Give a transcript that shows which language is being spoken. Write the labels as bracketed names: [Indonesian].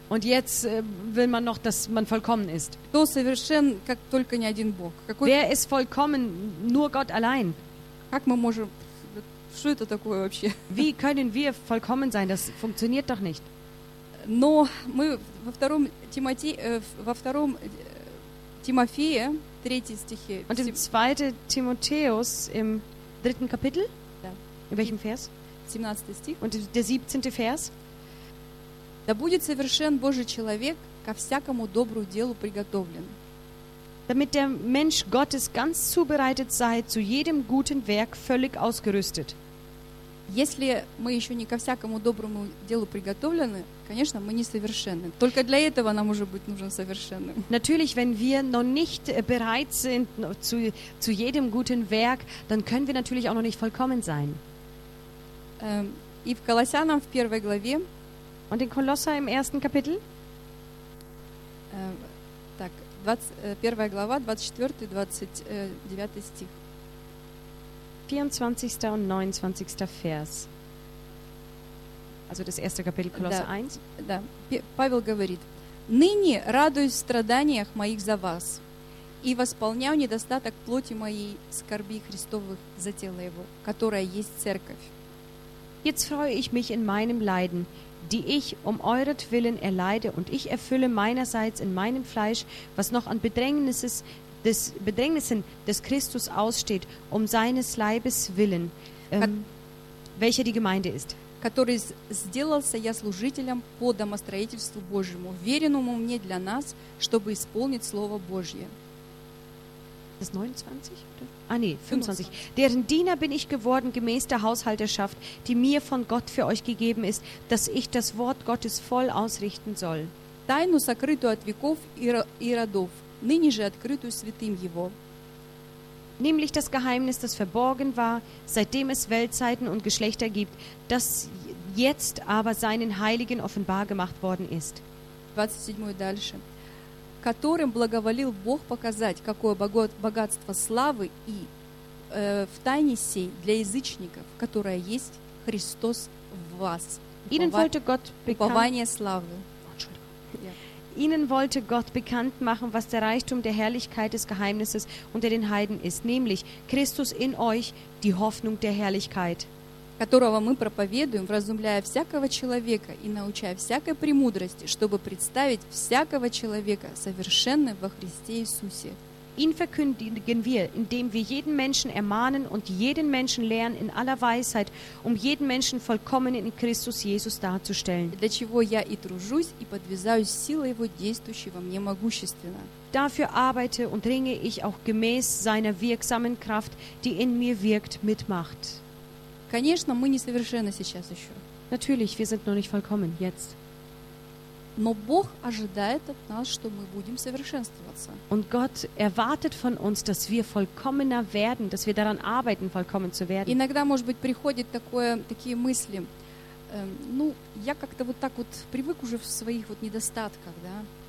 [German] Und jetzt will man noch, dass man vollkommen ist. [Russian] Кто совершен, как только не один Бог. Какой... [German] Wer ist vollkommen, nur Gott allein. [Russian] Как мы можем... Что это такое вообще? [German] Wie können wir vollkommen sein? Das funktioniert doch nicht. [Russian] Но мы во втором Тимоте, во втором Тимофея, третьем стихе. [German] Und im 2. Timotheus im 3. Kapitel? [Russian] Да. [German] In welchem Vers? [Russian] 17. Стих. [German] Und der 17. Vers? [Russian] Да будет совершен Божий человек ко всякому добру делу приготовлен. [German] Damit der Mensch Gottes ganz zubereitet sei, zu jedem guten Werk völlig ausgerüstet. [Russian] Если мы еще не ко всякому доброму делу приготовлены, конечно, мы не совершенны. Только для этого нам уже быть нужен совершенным. [German] Natürlich, wenn wir noch nicht bereit sind zu jedem guten Werk, dann können wir natürlich auch noch nicht vollkommen sein. [Russian] И в Колоссянам в первой главе. [German] Und in Kolosser im ersten Kapitel. [Russian] 21 глава, 24, 29 стих. [German] 24. und 29. Vers. Also das erste Kapitel Kolosser 1. [Russian] Да. Павел говорит: «Ныне радуюсь в страданиях моих за вас, и восполняю недостаток плоти моей скорби Христовых за тело Его, которое есть Церковь». [German] Jetzt freue ich mich in meinem Leiden, die ich um euretwillen erleide, und ich erfülle meinerseits in meinem Fleisch, was noch an Bedrängnissen des Christus aussteht, um seines Leibes willen, welche die Gemeinde ist. [Russian] Который сделался я служителем по домостроительству Божьему, веренному мне для нас, чтобы исполнить Слово Божье. [German] Das 29? Ah nee, 25. Deren Diener bin ich geworden gemäß der Haushalterschaft, die mir von Gott für euch gegeben ist, dass ich das Wort Gottes voll ausrichten soll. [Russian] Тайну сокрытую от веков и родов, ныне же открытую святым его. [German] Nämlich das Geheimnis, das verborgen war, seitdem es Weltzeiten und Geschlechter gibt, das jetzt aber seinen Heiligen offenbar gemacht worden ist. [Russian] 27 дальше. Которым благоволил Бог показать, какое богатство славы и в тайне сей для язычников, которая есть Христос в вас. Упование славы. [German] Ihnen wollte Gott bekannt machen, was der Reichtum der Herrlichkeit des Geheimnisses unter den Heiden ist, nämlich Christus in euch, die Hoffnung der Herrlichkeit. [Russian] Которого мы проповедуем, вразумляя всякого человека и научая всякой премудрости, чтобы представить всякого человека совершенным во Христе Иисусе. [German] Ihn verkündigen wir, indem wir jeden Menschen ermahnen und jeden Menschen lehren in aller Weisheit, um jeden Menschen vollkommen in Christus Jesus darzustellen. [Russian] Для чего я и тружусь и подвязаюсь силой Его, действующей во мне могущественно. [German] Dafür arbeite und ringe ich auch gemäß seiner wirksamen Kraft, die in mir wirkt, mit Macht. [Russian] Конечно, мы не совершенны сейчас еще. [German] Natürlich, wir sind noch nicht vollkommen jetzt. [Russian] Но Бог ожидает от нас, что мы будем совершенствоваться. [German] Und Gott erwartet von uns, dass wir vollkommener werden, dass wir daran arbeiten, vollkommen zu werden. [Russian] Иногда, может быть, приходит такие мысли. Ну, я как-то вот так вот привык уже в своих вот недостатках, да.